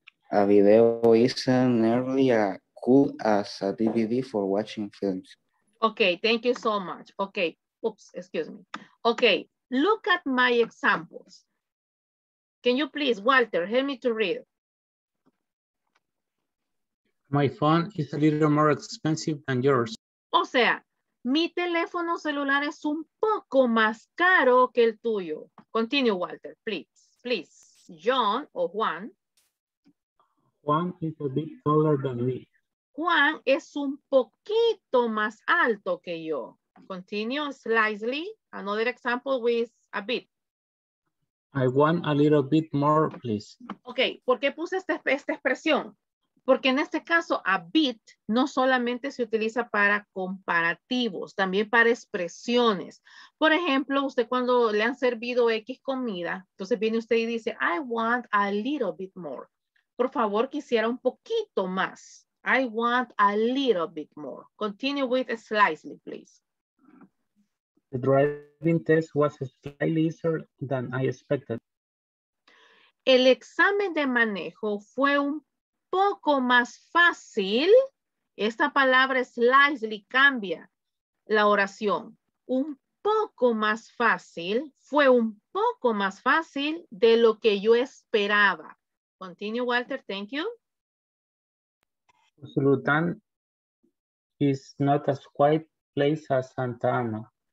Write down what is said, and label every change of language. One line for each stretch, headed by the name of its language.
English: A video isn't nearly as cool as a DVD for watching films. Okay, thank you so much. Okay, oops, excuse me. Okay, look at my examples. Can you please, Walter, help me to read? My phone is a little more expensive than yours.
Spanish: O sea, mi teléfono celular es un poco más caro que el tuyo.
English: Continue, Walter, please, please. John or Juan. Juan is a bit taller than me.
Spanish: Juan es un poquito más alto que yo.
English: Continue slightly. Another example with a bit. I want a little bit more, please.
Spanish: Okay, ¿por qué puse esta expresión? Porque en este caso, a bit no solamente se utiliza para comparativos, también para expresiones. Por ejemplo, usted cuando le han servido X comida, entonces viene usted y dice,
English: I want a little bit more.
Spanish: Por favor, quisiera un poquito más.
English: I want a little bit more. Continue with slightly, please. The driving test was slightly easier than I expected.
Spanish: El examen de manejo fue un poco más fácil. Esta palabra slightly cambia la oración. Un poco más fácil fue un poco más fácil de lo que yo esperaba.
English: Continue, Walter. Thank you. Usulután is not as quiet place as Santa Ana.